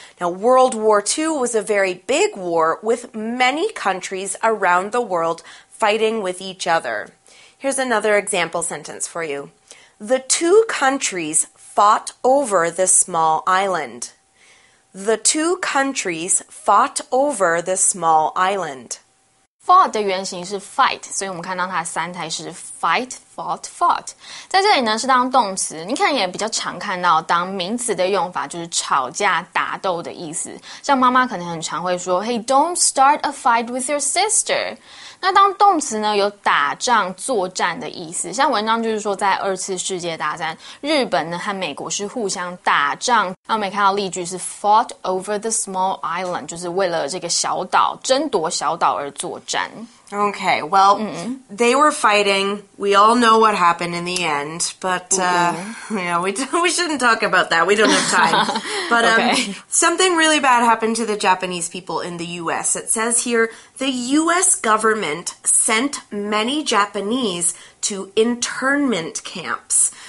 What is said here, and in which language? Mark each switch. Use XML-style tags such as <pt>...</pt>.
<en>Now, World War II was a very big war with many countries around the world fighting with each other. Here's another example sentence for you. The two countries fought over the small island. The two countries fought over the small island.</en> <zh>Fought 的原型是 fight, 所以我们看到它三台是</zh> <en>fight, fought, fought.</en> <zh>在这里呢是当动词，你可能也比较常看到当名词的用法，就是吵架打斗的意思。像妈妈可能很常会说</zh> <en>Hey, don't start a fight with your sister.</en> <zh>那当动词呢有打仗作战的意思，像文章就是说在二次世界大战，日本呢和美国是互相打仗。那我们看到例句是</zh> <en>fought over the small island,</en> <zh>就是为了这个小岛，争夺小岛而作战。</zh> <en>Okay, well, they were fighting. We all know what happened in the end, but, we shouldn't talk about that. We don't have time. But, something really bad happened to the Japanese people in the U.S. It says here, the U.S. government sent many Japanese to internment camps.</en>